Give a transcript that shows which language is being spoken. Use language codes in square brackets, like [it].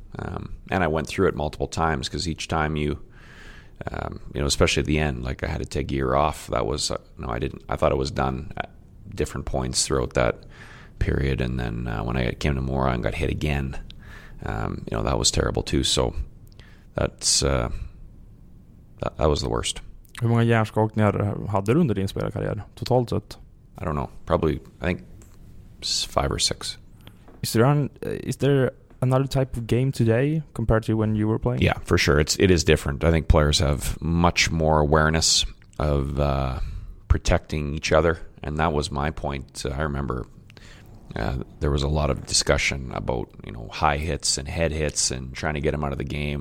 [en] And I went through it multiple times, because each time especially at the end, like I had to take a year off. That was, I didn't, I thought it was done at different points throughout that period. And then when I came to Mora and got hit again, that was terrible too. So that was the worst. [sv] Hur många hjärnskakningar hade du under din spelarkarriär totalt sett? [en] I don't know. Probably, I think 5 or 6. Is there another type of game today compared to when you were playing? Yeah, for sure. It is different. I think players have much more awareness of protecting each other. And that was my point. I remember there was a lot of discussion about, high hits and head hits and trying to get them out of the game.